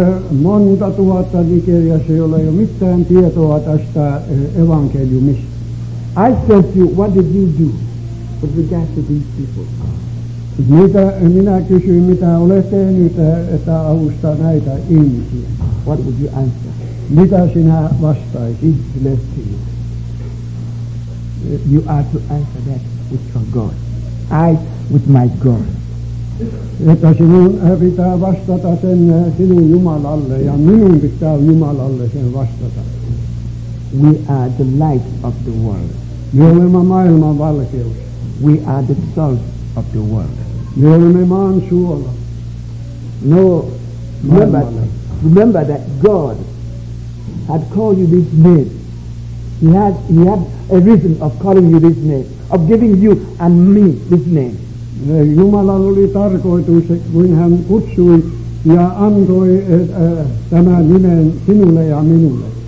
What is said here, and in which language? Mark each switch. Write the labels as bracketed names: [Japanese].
[Finnish] Monta tuhatta Nigeriassa, jolla ei ole mitään tietoa tästä evankeliumista. [English] I said to you, what did you do with regard to these people? [Finnish] Minä kysyin, mitä olet tehnyt, että avustaa näitä ihmisiä. [English] What would you answer? [Finnish] Mitä sinä vastaisit? [English] He blessed you. You are to answer that with your God. I with my God. [Finnish] Että sinun pitää vastata sen sinun Jumalalle, ja minun pitää Jumalalle sen vastata. [English] We are the light of the world. [Finnish] Me olemme maailman valkeus. [English] We are the salt of the world. [Finnish] Me olemme maan suola. [English] No, remember that God had called you this name. He had a reason of calling you this name, of giving you and me this name. [Finnish] Jumala oli tarkoitus, kun hän kutsui ja antoi tämän nimen sinulle ja minulle.